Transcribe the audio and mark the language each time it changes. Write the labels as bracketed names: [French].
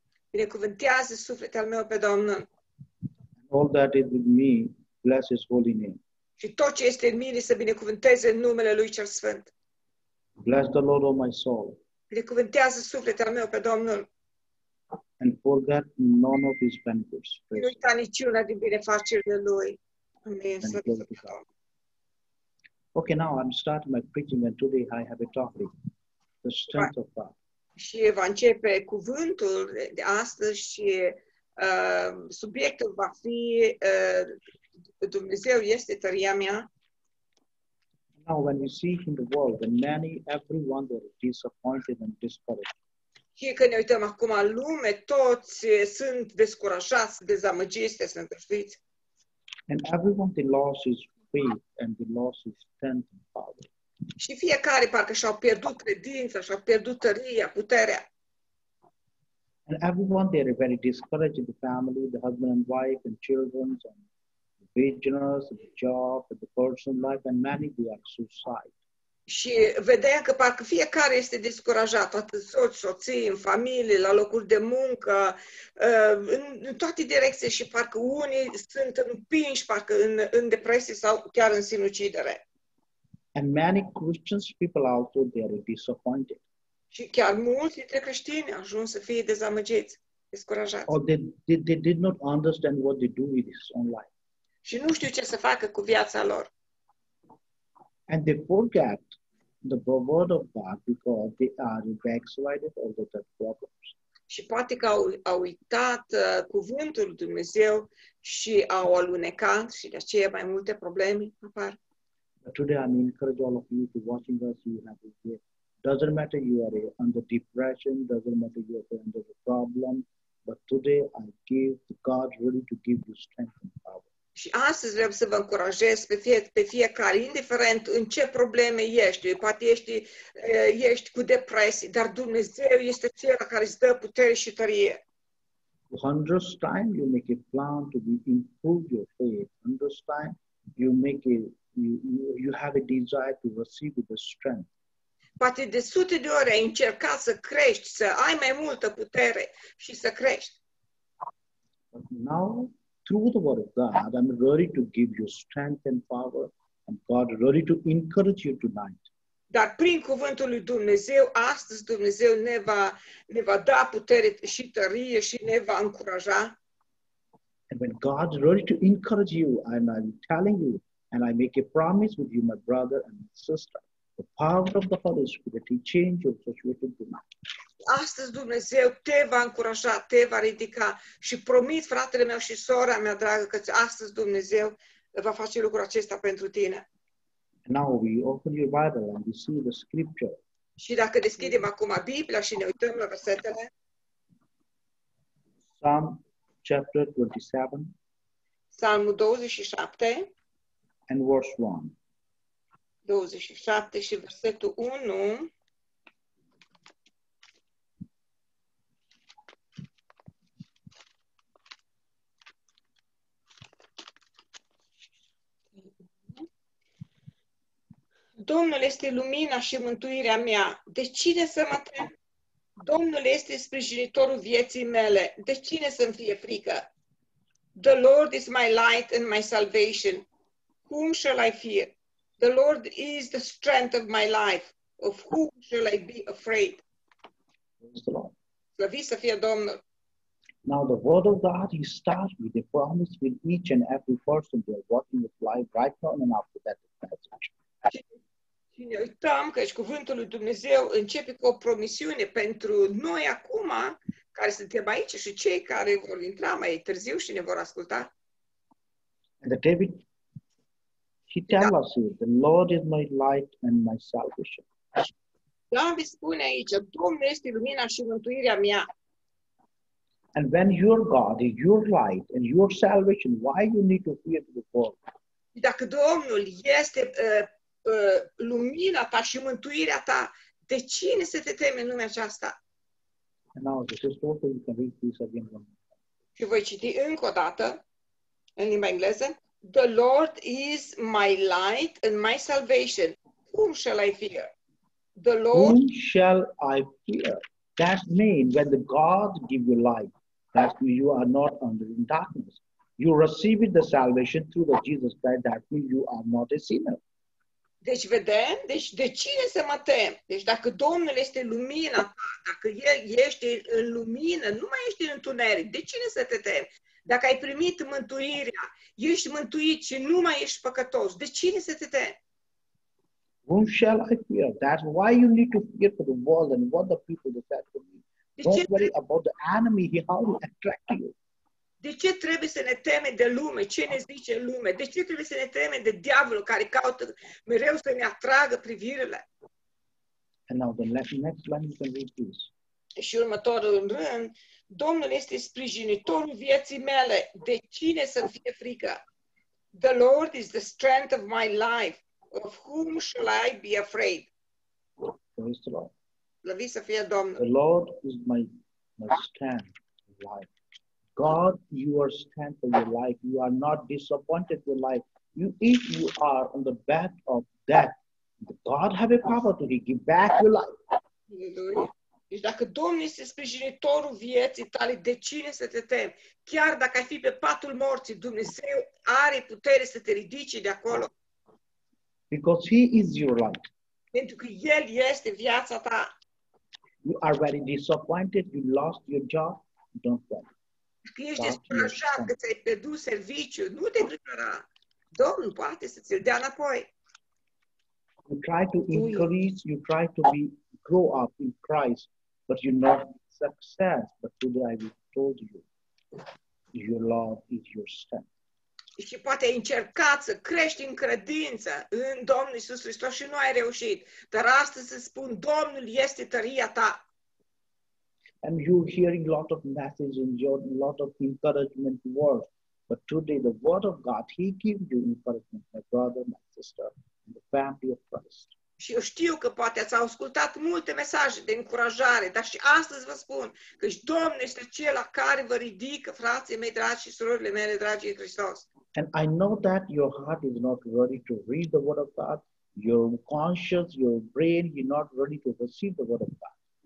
[Romanian] Binecuvântează sufletul meu pe Domnul. [English] All that is with me, bless His holy name. [Romanian] Și tot ce este în mine să binecuvânteze în numele Lui cel Sfânt. [English] Bless the Lord, O my soul. [Romanian] Binecuvântează sufletul meu pe Domnul. [English] And forget none of His benefits. [Romanian] Nu uita niciuna din binefacerile Lui. Amen. [English] Okay, now I'm starting my preaching and today I have a topic, the strength of God. [Romanian] Și va începe cuvântul de astăzi și subiectul va fi Dumnezeu este tăria mea. [English] Now when we see in the world the many, everyone that is disappointed and discouraged. [Romanian] Și când ne uităm acum în lume, toți sunt descurajați, dezamăgiți, sunt înfrânți. [English] And everyone they lost is faith and they lost his strength and power. [Romanian] Și fiecare parcă și-au pierdut credința, și-au pierdut tăria, puterea. [English] And everyone they are very discouraged in the family, the husband and wife and children and the business and the job and the personal life and many they are suicide. [Romanian] Și vedea că parcă fiecare este descurajat, toată soț, soții, în familie, la locuri de muncă, în toate direcțiile și parcă unii sunt împinși parcă în depresie sau chiar în sinucidere. [English] And many Christians people also they are disappointed. [Romanian] Și chiar mulți dintre creștini ajung să fie dezamăgiți, descurajați. [English] Or they did not understand what they do with his own life. [Romanian] Și nu știu ce să facă cu viața lor. [English] And they forget the word of God because they are backslided or they have problems. [Romanian] Și poate că au uitat cuvântul lui Dumnezeu și au alunecat și de aceea mai multe probleme apar. [English] But today I encourage all of you to watching us, you have to say, doesn't matter you are under depression, doesn't matter you are under the problem, but today I give God really to give you strength and power. [Romanian] Și astăzi vreau să vă încurajez pe fiecare, indiferent în ce probleme ești, poate ești cu depresie, dar Dumnezeu este cel care îți dă putere și tărie. [English] 100 times you make a plan to improve your faith, 100 times you make a You have a desire to receive the strength. [Romanian] Poate de sute de ori ai încercat să crești, să ai mai multă putere și să crești. [English] But now, through the word of God, I'm ready to give you strength and power, and God ready to encourage you tonight. [Romanian] Dar prin cuvântul lui Dumnezeu, astăzi Dumnezeu ne va da putere și tărie și ne va încuraja. [English] And when God ready to encourage you, I'm telling you, and I make a promise with you, my brother and my sister, the power of the Holy Spirit will change your situation tonight. [Romanian] Astăzi Dumnezeu te va încuraja, te va ridica și promit, fratele meu și sora mea dragă, că astăzi Dumnezeu va face lucrul acesta pentru tine. [English] Now we open your Bible and we see the scripture. [Romanian] Și dacă deschidem acum Biblia și ne uităm la versetele. [English] Psalm chapter 27. [Romanian] Psalmul 27. [English] And verse 1. [Romanian] 27 și versetul 1. Domnul este lumina și mântuirea mea. De cine să mă tem? Domnul este sprijinitorul vieții mele. De cine să-mi fie frică? [English] The Lord is my light and my salvation. Whom shall I fear? The Lord is the strength of my life. Of whom shall I be afraid? Praise the Lord. [Romanian] Slăviți să fie Domnul. [English] Now the word of God, he starts with a promise with each and every person they are walking with life right now and after that passage. [Romanian] Și ne uităm că și cuvântul lui Dumnezeu începe cu o promisiune pentru noi acum, care suntem aici și cei care vor intra mai târziu și ne vor asculta. [English] And the David, he tells us, the Lord is my light and my salvation. [Romanian] David spune aici, Domnul este lumina și mântuirea mea. [English] And when your God is your light and your salvation, why you need to fear the world? [Romanian] Dacă Domnul este lumina ta și mântuirea ta, de cine să te teme în lumea aceasta? [English] And now, this is also, you can read this again. [Romanian] Și voi citi încă o dată, în limba engleză. [English] The Lord is my light and my salvation. Whom shall I fear? The Lord. Whom shall I fear? That means when the God give you life, that means you are not under in darkness. You receive the salvation through the Jesus Christ, that means you are not a sinner. [Romanian] Deci vedem, deci de cine să mă tem? Deci dacă Domnul este lumina ta, dacă El ești în lumină, nu mai ești în întuneric, de cine să te temi? Dacă ai primit mântuirea, ești mântuit și nu mai ești păcătos, de cine să te temi? [English] Whom shall I fear? That's why you need to fear for the world and what the people do that for me. Don't worry about the enemy, how he attract you. [Romanian] De ce trebuie să ne temem de lume? Ce ne zice lume? De ce trebuie să ne temem de diavolul care caută mereu să ne atragă privirile? [English] And now the next line you can read this. [Romanian] Și următorul rând, Domnul este sprijinitorul vieții mele. De cine să fie frică? [English] The Lord is the strength of my life. Of whom shall I be afraid? Praise the Lord. [Romanian] Slăviți să fie Domnul. [English] The Lord is my strength of life. God, you are stand for your life. You are not disappointed with life. If you are on the back of death, God have a power to give back your life. [Romanian] Deci dacă Domnul este sprijinitorul vieții tale, de cine să te temi? Chiar dacă ai fi pe patul morții, Dumnezeu are putere să te ridice de acolo. [English] Because he is your life. [Romanian] Pentru că El este viața ta. [English] You are very disappointed, you lost your job, don't worry. [Romanian] Că ești descurajat, că ți-ai pierdut serviciu, nu te grăbi. Domnul poate să ți-l dea înapoi. [English] You try to increase, you try to be grow up in Christ, but you're not success. But today I will told you, your love is your strength. [Romanian] Și poate ai încercat să crești în credință în Domnul Iisus Hristos și nu ai reușit. Dar astăzi să spun, Domnul este tăria ta. [English] And you're hearing a lot of messages and a lot of encouragement words. But today, the word of God, he gives you encouragement, my brother, my sister, and the family of Christ. [Romanian] Și eu știu că poate ați ascultat multe mesaje de încurajare, dar și astăzi vă spun că Domnul este Cel care vă ridică, frații mei dragi și surorile mele dragi în Hristos. [English] And I know that your heart is not ready to read the word of God. Your conscience, your brain, you're not ready to receive the word of God.